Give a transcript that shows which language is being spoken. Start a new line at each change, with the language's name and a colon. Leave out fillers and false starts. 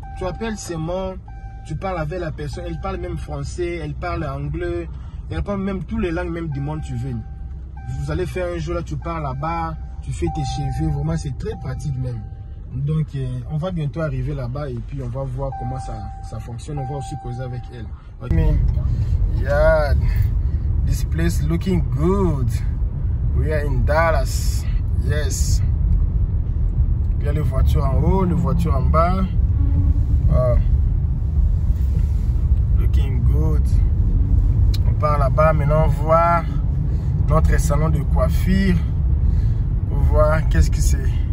French: Tu appelles seulement, tu parles avec la personne, elle parle même français, elle parle anglais, elle parle même toutes les langues même du monde tu veux. Vous allez faire un jour là, tu pars là-bas, tu fais tes cheveux, vraiment c'est très pratique même. Donc on va bientôt arriver là-bas et puis on va voir comment ça fonctionne, on va aussi causer avec elle. Okay. Mais, yeah.
English: This place looking good. We are in Dallas. Yes.
French: Il y a les voitures en haut, les voitures en bas. Oh.
English: Looking good.
French: On part là-bas maintenant voir notre salon de coiffure pour voir qu'est-ce que c'est.